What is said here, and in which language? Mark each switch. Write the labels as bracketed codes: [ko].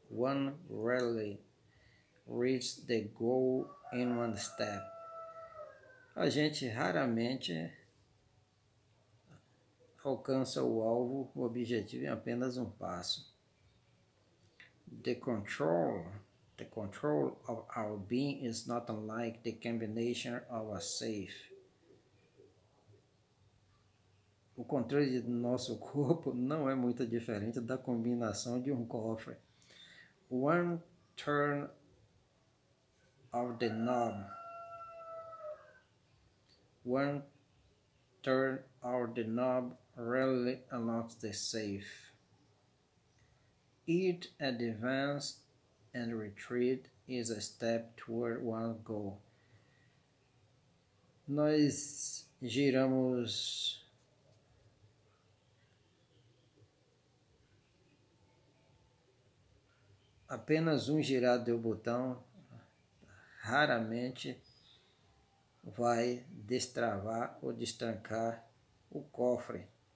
[en] One rarely reaches the goal in one step. [pt] A gente raramente alcança o alvo, o objetivo em apenas um passo. [en] The control of our being is not unlike the combination of a safe. [pt] O controle do nosso corpo não é muito diferente da combinação de um cofre. [en] One turn of the knob. One turn of the knob rarely unlocks the safe. Each advance and retreat is a step toward one goal. [pt] Nós giramos apenas um girado do botão raramente vai destravar ou destrancar o cofre.